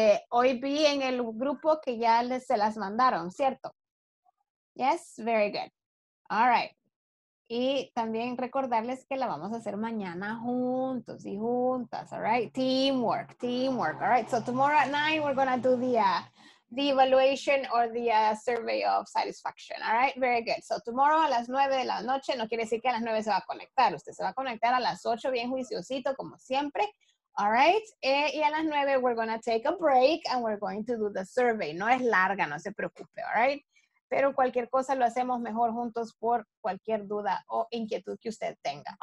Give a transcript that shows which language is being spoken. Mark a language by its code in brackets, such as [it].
[es] Hoy vi en el grupo que ya se las mandaron, ¿cierto? [en] Yes, very good. All right. [es] Y también recordarles que la vamos a hacer mañana juntos y juntas, all right? [en] Teamwork, teamwork, all right? So tomorrow at 9, we're going to do the evaluation or the survey of satisfaction, all right? Very good. So tomorrow [es] a las 9 de la noche, no quiere decir que a las 9 se va a conectar. Usted se va a conectar a las 8, bien juiciosito, como siempre. [en] All right, [es] y a las 9 [en] we're going to take a break and we're going to do the survey. [es] No es larga, no se preocupe, all right? Pero cualquier cosa lo hacemos mejor juntos por cualquier duda o inquietud que usted tenga.